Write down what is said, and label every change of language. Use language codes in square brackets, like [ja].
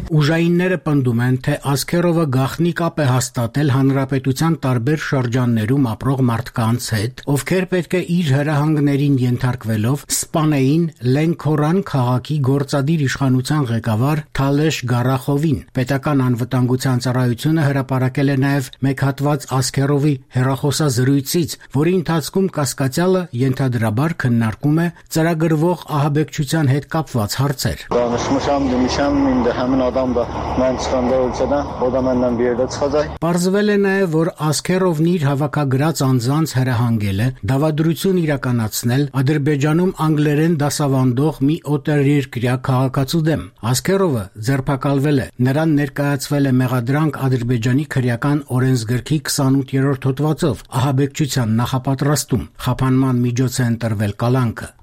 [hy] Ուժայինները պնդում են, թե Ասքերովը գախնի կապ է հաստատել հանրապետության տարբեր շրջաններում ապրող մարդկանց հետ, ովքեր պետք է իր հրահանգներին ենթարկվելով սպանեին Լենքորան քաղաքի գործադիր իշխանության ղեկավար Թալեշ Գարախովին։ Պետական անվտանգության ծառայությունը հրապարակել է նաև մեկ հատված Ասքերովի հեռախոսազրույցից, որի ընթացքում կասկածյալը ենթադրաբար քննարկում է ծրագրվող ահաբեկչության հետ կապված հարցեր։ [az] Danışmışam, demişam, indi həmin adam da mən çıxanda ölkədən, o da məndən bir yerdə çıxacaq. [hy] Պարզվել է նաև, որ Ասքերովն իր հավաքագրած անձանց հրահանգել է դավադրություն իրականացնել Ադրբեջանում անգլերեն դասավանդող մի օտարերկրյա քաղաքացու դեմ։ Ասքերովը ձերբակալվել է, նրան ներկայացվել է մեղադրանք Ադրբեջանի քրեական օրենսգրքի 28-րդ հոդվածով ահաբեկչության նախապատրաստում, խափանման միջոց է ընտրվել կալանքը։